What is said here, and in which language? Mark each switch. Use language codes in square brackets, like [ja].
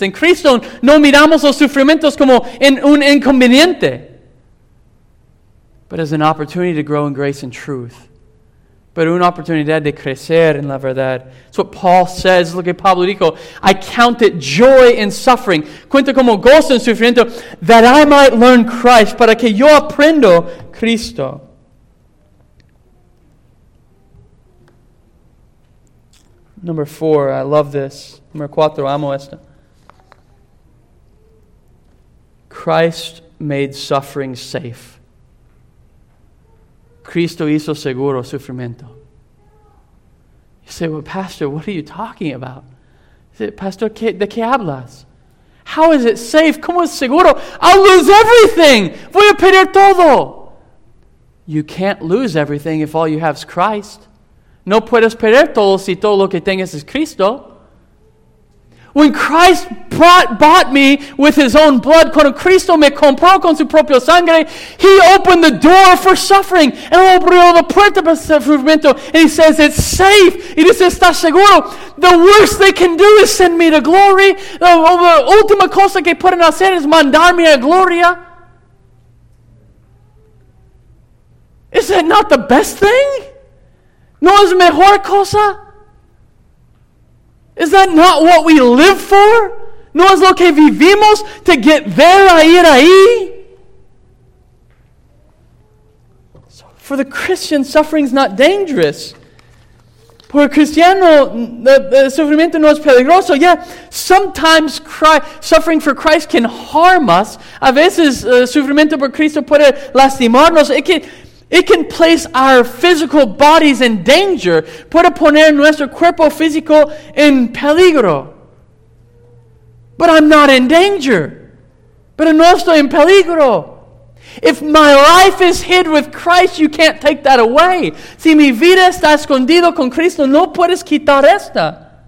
[es] En Cristo, no miramos los sufrimientos como un inconveniente. [en] But as an opportunity to grow in grace and truth. [es] Pero una oportunidad de crecer en la verdad. [en] It's what Paul says. Look at [es] Pablo dijo, [en] I count it joy in suffering. [es] Cuento como gozo en sufrimiento, [en] that I might learn Christ, [es] para que yo aprendo Cristo. [en] Number four, I love this. Number [es] cuatro, amo esto. [en] Christ made suffering safe. [es] Cristo hizo seguro sufrimiento. [en] You say, well, Pastor, what are you talking about? You say, Pastor, [es] ¿de qué hablas? [en] How is it safe? [es] ¿Cómo es seguro? [en] I'll lose everything. [es] Voy a perder todo. [en] You can't lose everything if all you have is Christ. [es] No puedes perder todo si todo lo que tengas es Cristo. [en] When Christ bought me with his own blood, [es] cuando Cristo me compró con su propia sangre, [en] he opened the door for suffering. [es] Él abrió la puerta para sufrimiento. [en] And he says, it's safe. [es] Y dice, está seguro. [en] The worst they can do is send me to glory. [es] La última cosa que pueden hacer es mandarme a gloria. [en] Is that not the best thing? [es] No es mejor cosa? [en] Is that not what we live for? [es] No es lo que vivimos [en] to get there [es] a ir ahí? [en] So for the Christian, suffering is not dangerous. [es] Por el cristiano, el sufrimiento no es peligroso. [en] Yeah, sometimes suffering for Christ can harm us. [es] A veces, sufrimiento por Cristo puede lastimarnos. [en] It can place our physical bodies in danger. [es] Puede poner nuestro cuerpo físico en peligro. [en] But I'm not in danger. [es] Pero no estoy en peligro. [en] If my life is hid with Christ, you can't take that away. [es] Si mi vida está escondida con Cristo, no puedes quitar esta.